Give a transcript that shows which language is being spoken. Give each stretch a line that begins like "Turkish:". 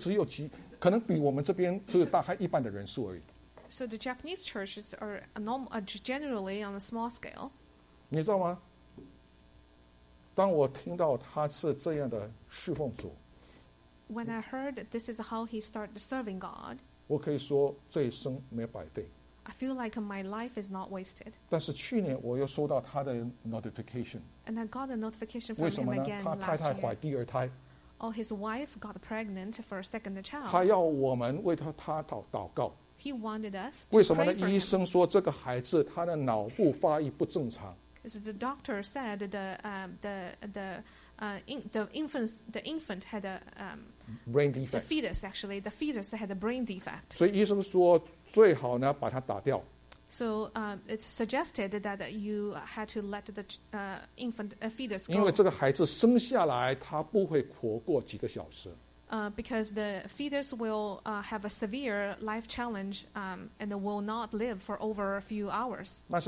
Chinese: 你知道在日本他们的教会很小的，大概只有几，可能比我们这边是大概一半的人数而已。
English: So the Japanese churches are normal, generally on a small scale.
Chinese: 你知道吗？当我听到他是这样的侍奉主，
English: When I heard this is how he started serving God，
Chinese: 我可以说这一生没有白费。
English: I feel like my life is not wasted.
Chinese: 但是去年我又收到他的 notification.
English: And I got a notification from him again last year.
Chinese: 太太怀第二胎。
English: Oh, his wife got pregnant for a second child.
Chinese: 他要我们为他祷告。
English: He wanted us to pray.
Chinese: 为什么呢？医生说这个孩子他的脑部发育不正常。
English: Because the doctor said the infant had a brain defect. The fetus actually, the fetus had a brain defect.
Chinese: 所以医生说最好呢把它打掉。
English: So it's suggested that you had to let the infant fetus go.
Chinese: 因为这个孩子生下来他不会活过几个小时。
English: Because the fetus will have a severe life challenge and will not live for over a few hours.